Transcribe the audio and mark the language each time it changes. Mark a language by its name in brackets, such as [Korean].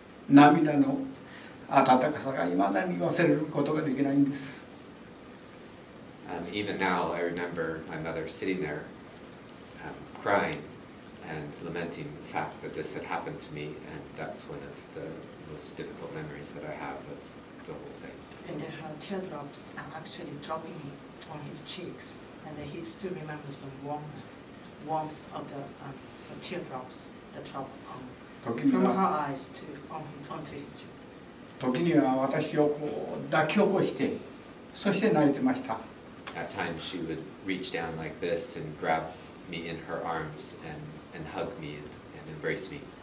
[Japanese] 涙の温かさが未だに忘れることができないんです。 [English] Even now, I remember my mother sitting there crying and lamenting the fact that this had happened to me, and that's one of the most difficult memories that I have of the whole thing. And then her teardrops are actually dropping on his cheeks, and he still remembers the warmth of the teardrops that drop from her eyes to onto his cheeks. [Japanese] 時には私をこう抱き起こして、そして泣いてました。 [English] At times she would reach down like this and grab me in her arms and hug me and embrace me.